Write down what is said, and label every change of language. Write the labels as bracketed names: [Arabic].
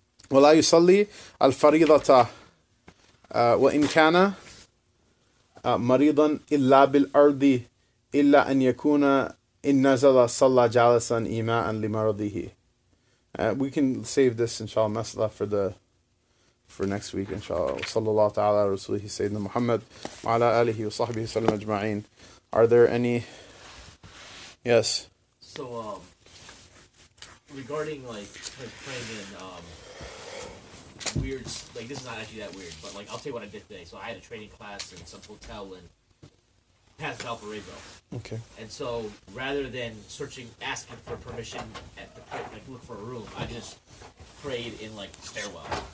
[Arabic] ولا يصلي الفريضة وإن كان مريضا إلا بالأرض إلا أن يكون إن نزل صلى جالسا إيماء لمرضه. [English] We can save this, inshallah, masala for next week, inshallah. [Arabic] صلى الله تعالى على رسوله سيدنا محمد وعلى آله وصحبه وسلم أجمعين. [English] Are there any? Yes. So, regarding praying in weird, like, this is not actually that weird, but, like, I'll tell you what I did today. So I had a training class in some hotel in Paso Del Rio. Okay. And so rather than asking for permission at the pit, like, look for a room, I just prayed in, like, the stairwell.